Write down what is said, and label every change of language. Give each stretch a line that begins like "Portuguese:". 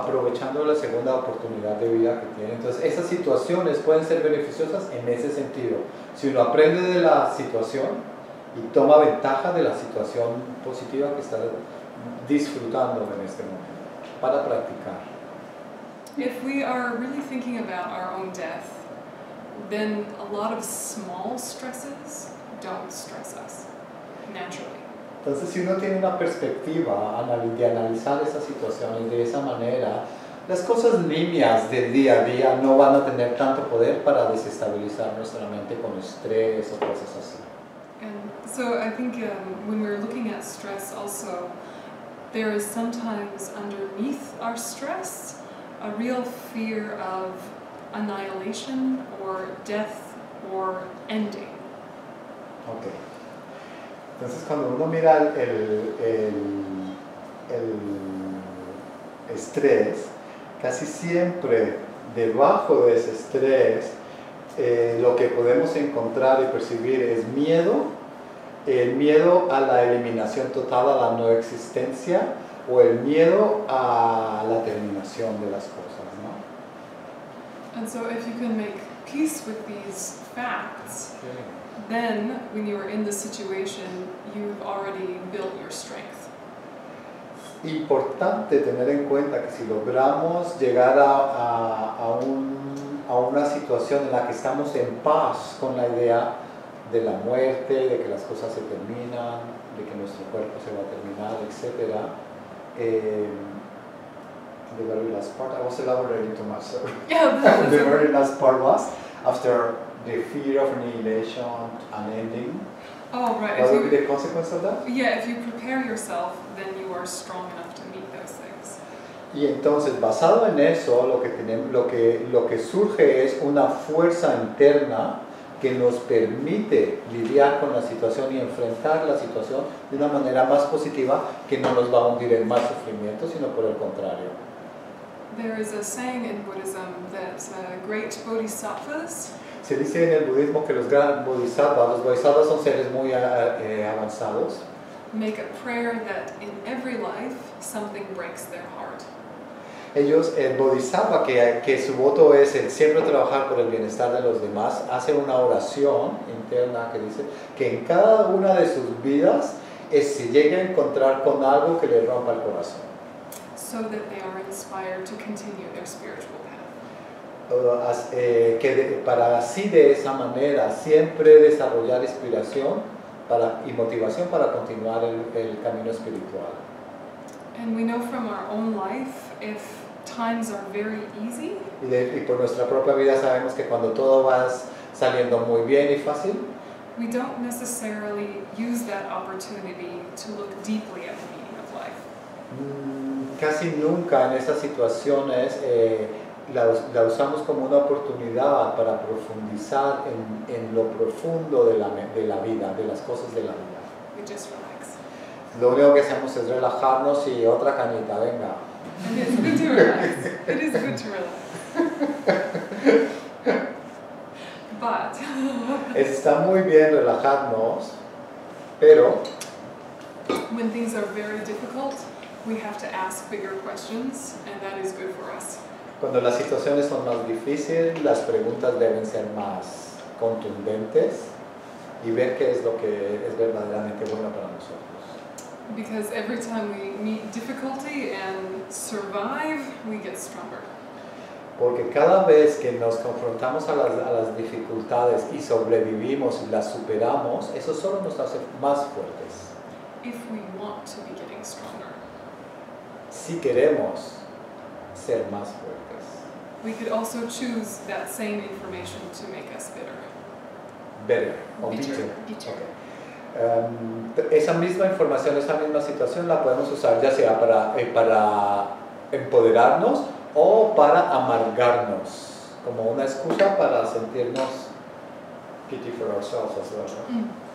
Spanish: Aprovechando la segunda oportunidad de vida que tiene. Entonces esas situaciones pueden ser beneficiosas en ese sentido. Si uno aprende de la situación y toma ventaja de la situación positiva que está disfrutando en este momento para practicar.
English: If we are really thinking about our own death, then a lot of small stresses don't stress us naturally.
Spanish: Entonces, si uno tiene una perspectiva de analizar esas situaciones de esa manera, las cosas nimias del día a día no van a tener tanto poder para desestabilizar nuestra mente con estrés o cosas así.
English: And so I think when we're looking at stress also, there is sometimes underneath our stress a real fear of annihilation or death or ending. Okay.
Spanish: Entonces cuando uno mira el estrés, casi siempre debajo de ese estrés lo que podemos encontrar y percibir es miedo, el miedo a la eliminación total, a la no existencia, o el miedo a la terminación de las cosas, ¿no?
English: And so if you can make peace with these facts, okay, then when you are in the situation, you've already built your strength.
Spanish: Importante tener en cuenta que si logramos llegar a una situación en la que estamos en paz con la idea de la muerte, de que las cosas se terminan, de que nuestro cuerpo se va a terminar, etc.
English: The very last part, I was elaborating too much, sorry. Yeah, the very last part was, after the fear of annihilation and ending. Oh, right. What would be the consequence of that? Yeah, if you prepare yourself, then you are strong enough to meet those things.
Spanish: Y entonces, basado en eso, lo que surge es una fuerza interna que nos permite lidiar con la situación y enfrentar la situación de una manera más positiva, que no nos va a hundir en más sufrimiento, sino por el contrario.
English: There is a saying in Buddhism that great bodhisattvas.
Spanish: Se dice en el budismo que los grandes bodhisattvas, los bodhisattvas son seres muy avanzados.
English: Make a prayer that in every life something breaks their heart.
Spanish: Ellos, el bodhisattva, que su voto es el siempre trabajar por el bienestar de los demás, hace una oración interna que dice que en cada una de sus vidas es si llega a encontrar con algo que le rompa el corazón.
English: So that they are inspired to continue their spiritual path.
Spanish: Para así de esa manera siempre desarrollar inspiración y motivación para continuar el camino espiritual.
English: And we know from our own life, if times are very easy.
Spanish: Y por nuestra propia vida sabemos que cuando todo va saliendo muy bien y fácil,
English: we don't necessarily use that opportunity to look deeply at the meaning of life.
Spanish: Casi nunca en esas situaciones la usamos como una oportunidad para profundizar en lo profundo de la vida, de las cosas de la vida.
English: We just relax.
Spanish: Lo único que hacemos es relajarnos y otra canita, venga.
English: And it's good to relax. It is good to relax. But.
Spanish: Está muy bien relajarnos, pero.
English: When things are very difficult, we have to ask bigger questions, and that is good for us.
Spanish: Cuando las situaciones son más difíciles, las preguntas deben ser más contundentes y ver qué es lo que es verdaderamente bueno para nosotros.
English: Because every time we meet difficulty and survive, we get stronger.
Spanish: Porque cada vez que nos confrontamos a las dificultades y sobrevivimos y las superamos, eso solo nos hace más fuertes.
English: If we want to be getting stronger.
Spanish: Si queremos ser más fuertes.
English: We could also choose that same information to make us bitter. Bitter. Okay.
Spanish: Esa misma información, esa misma situación la podemos usar ya sea para empoderarnos o para amargarnos como una excusa para sentirnos
English: pity for ourselves as well. Huh? Mm.